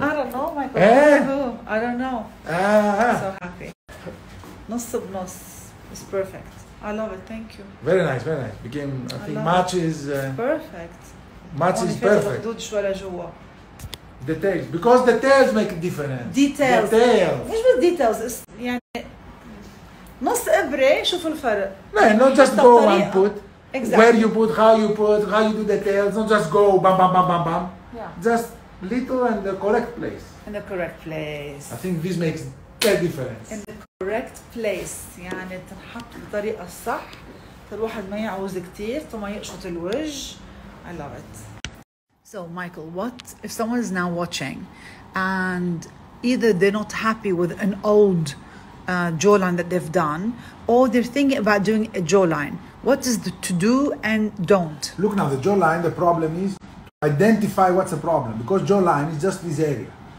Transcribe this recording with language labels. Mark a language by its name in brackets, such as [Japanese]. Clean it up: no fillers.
[English] I don't know Michael who I don't know so happy [Arabic] نص بنص [English] it's perfect I love it thank you very nice became I think matches perfect matches perfect [Arabic] دوت شو على جوا [English] details because details make a difference [Arabic] details مش بس details يعني نص إبرة شوف الفرق [English] no not just go and put Exactly. Where you put, how you put, how you do the tails, don't just go bam bam bam bam bam. Yeah. Just little and the correct place. In the correct place. I think this makes a difference. In the correct place. [Arabic] يعني تنحط بطريقة صح. الواحد ما يعوز كتير ثم يقشط الوجه. [English] I love it. So Michael, what if someone is now watching and either they're not happy with an old jawline that they've done or they're thinking about doing a jawline. What is the to do and don't? Look now, the jawline, the problem is to identify what's the problem because jawline is just this area.